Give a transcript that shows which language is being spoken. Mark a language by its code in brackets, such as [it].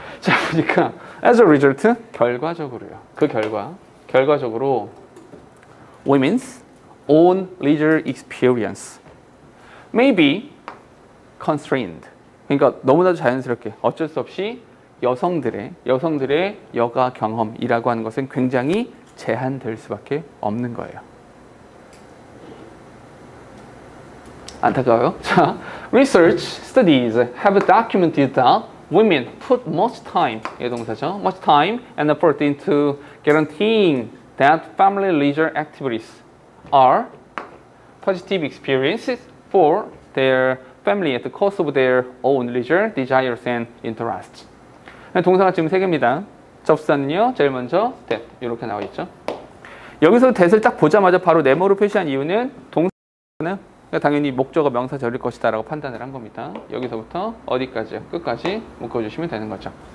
[ko] 자, 보니까 [en] as a result, [ko] 결과적으로요. 그 결과, 결과적으로 [en] women's own leisure experience may be constrained. [ko] 그러니까 너무나도 자연스럽게 어쩔 수 없이 여성들의 여가 경험이라고 하는 것은 굉장히 제한될 수밖에 없는 거예요. 안타까워요. [en] 자, research studies have documented that women put much time, [ko] 이게 동사죠, [en] much time and effort into guaranteeing that family leisure activities are positive experiences for their family at the cost of their own leisure desires and interests. [ko] 동사가 지금 세 개입니다. 접수는요, 제일 먼저 that 이렇게 나와 있죠. 여기서 that을 딱 보자마자 바로 네모로 표시한 이유는 동사는 당연히 목적어 명사절일 것이다 라고 판단을 한 겁니다. 여기서부터 어디까지 끝까지 묶어주시면 되는 거죠.